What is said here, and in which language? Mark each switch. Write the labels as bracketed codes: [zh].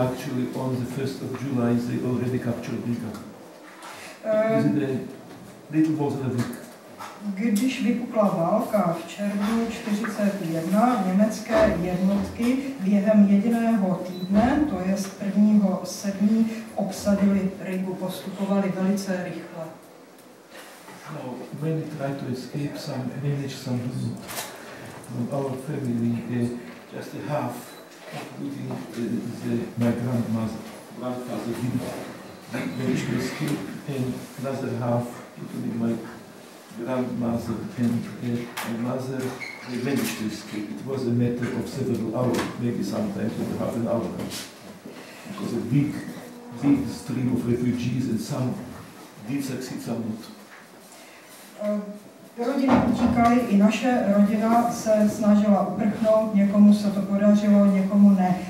[en] Actually, on the 1st of July, they already captured Riga. Little more than a week. [cs] Když vypukla válka v červnu 41, německé jednotky během jediného týdne, to je 1.7., obsadili Rigu, postupovali velice rychle. [en] No, many tried to escape, some managed, some didn't. From our family, just a half, including my grandfather, didn't manage to escape, and another half, including my grandmother and my mother, they managed to escape. It was a matter of several hours, maybe sometimes it was half an hour. It was a big, big stream of refugees, and some did succeed, some not. [cs] Rodiny utíkaly, i naše rodina se snažila uprchnout, někomu se to podařilo, někomu ne.